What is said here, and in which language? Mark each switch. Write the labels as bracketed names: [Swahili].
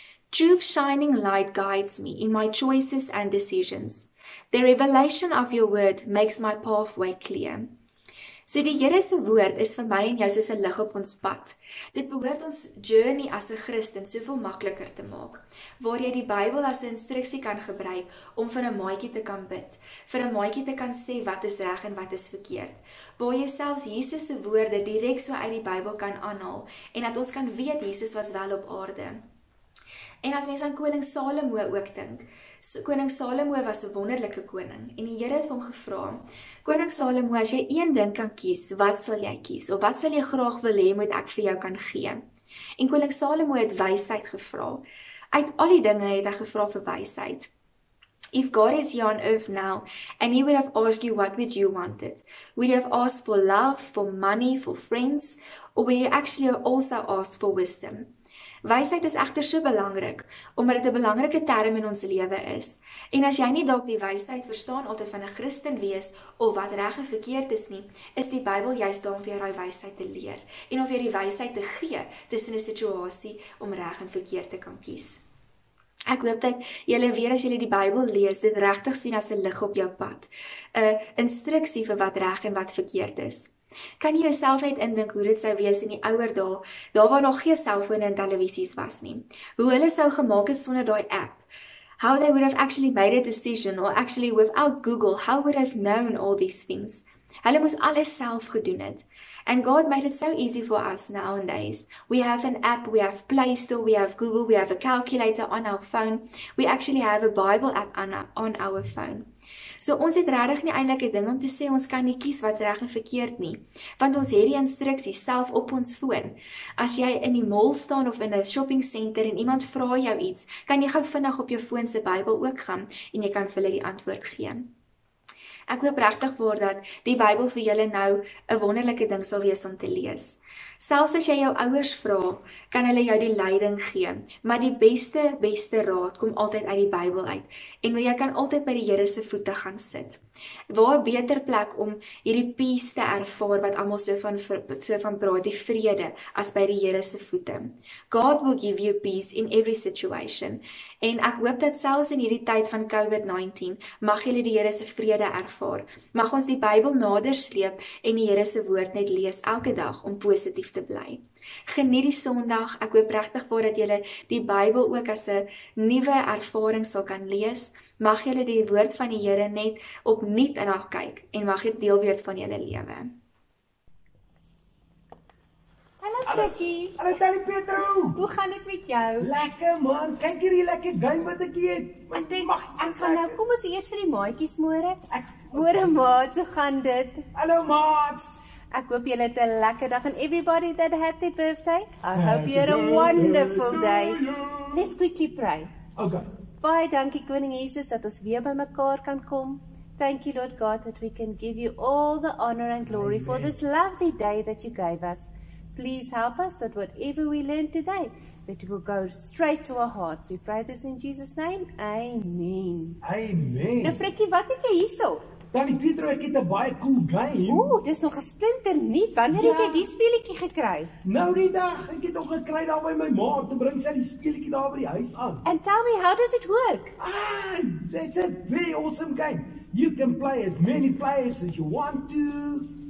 [English] Truth shining light guides me in my choices and decisions. The revelation of your word makes my pathway clear. [Afrikaans] So die Here se woord is vir my en jou soos 'n lig op ons pad. Dit behoort ons journey as 'n Christen soveel makliker te maak, waar jy die Bybel as 'n instruksie kan gebruik om vir 'n maatjie te kan bid, vir 'n maatjie te kan sê wat is reg en wat is verkeerd, waar jy selfs Jesus se woorde direk so uit die Bybel kan aanhaal en dat ons kan weet Jesus was wel op aarde. En as mens aan koning Salomo ook dink, koning Salomo was 'n wonderlike koning en die Here het hom gevra: "Koning Salomo, as jy een ding kan kies, wat sal jy kies? Of wat sal jy graag wil hê moet ek vir jou kan gee?" En koning Salomo het wysheid gevra. Uit al die dinge het hy gevra vir wysheid. [English] "If God is here on earth now and he would have asked you what would you want it? Would you have asked for love, for money, for friends, or would you actually also ask for wisdom?" [Afrikaans] Wysheid is egter so belangrik, omdat dit 'n belangrike term in ons lewe is. En as jy nie dalk die wysheid verstaan altyd van 'n Christen wees of wat reg en verkeerd is nie, is die Bybel juist daar om vir jou daai wysheid te leer en om vir jou die wysheid te gee tussen 'n situasie om reg en verkeerd te kan kies. Ek hoop dat julle weer as julle die Bybel lees, dit regtig sien as 'n lig op jou pad, 'n instruksie vir wat reg en wat verkeerd is. Kan jy jouself net indink hoe dit sou wees in die ouer dae, daar waar nog geen selfone en televisies was nie. Hoe hulle sou gemaak het sonder daai app. [English] How they would have actually made a decision or actually without Google, how would have known all these things? [Afrikaans] Hulle moes alles self gedoen het. [English] And God made it so easy for us nowadays. We have an app, we have Play Store, we have Google, we have a calculator on our phone. We actually have a Bible app on our phone. [Afrikaans] So ons het regtig nie eintlik 'n ding om te sê ons kan nie kies wat reg en verkeerd nie, want ons het die instruksie self op ons foon. As jy in die mall staan of in 'n shopping center en iemand vra jou iets, kan jy gou vinnig op jou foon se Bybel ook gaan en jy kan vir hulle die antwoord gee. Ek hoop regtig waar dat die Bybel vir julle nou 'n wonderlike ding sal wees om te lees. Selfs as jy jou ouers vra, kan hulle jou die leiding gee, maar die beste raad kom altyd uit die Bybel uit en jy kan altyd by die Here se voete gaan sit. Waar 'n beter plek om hierdie peace te ervaar wat almal so van praat, die vrede, as by die Here se voete. [English] God will give you peace in every situation. [Afrikaans] En ek hoop dat selfs in hierdie tyd van COVID-19 mag julle die Here se vrede ervaar. Mag ons die Bybel nader sleep en die Here se woord net lees elke dag om positief te bly. Geniet die Sondag. Ek hoop regtig waar dat julle die Bybel ook as 'n nuwe ervaring sal kan lees. Mag julle die woord van die Here net opnuut in ag kyk en mag dit deel wees van julle lewe. Hallo Sikkie. Hallo Tannie Petro. Hoe gaan dit met jou? Lekker man. Kyk hier hierdie lekker duim wat ek het. Ek gaan nou kom ons eers vir die maatjies môre. Ek hoor 'n maat, hoe gaan dit? Hallo maats. Ek hoop julle het 'n lekker dag [English] and everybody that had their birthday. I hope you had a wonderful day. Let's quickly pray. Okay. [Afrikaans] Baie dankie Koning Jesus dat ons weer by mekaar kan kom. [English] Thank you Lord God that we can give you all the honor and glory Amen. For this lovely day that you gave us. Please help us that whatever we learn today, that it will go straight to our hearts. We pray this in Jesus' name. Amen. Amen. [Afrikaans] Nou Frikkie, wat het jy hierso? Tannie Petro, ek het 'n baie cool game. Ooh, dis nog 'n splinter nuut. Wanneer het jy die speletjie gekry? Nou die dag, ek het hom gekry daar by my ma om te bring sy die speletjie daar by die huis aan. [English] And tell me, how does it work? Ah, it's a very awesome game. You can play as many players as you want to.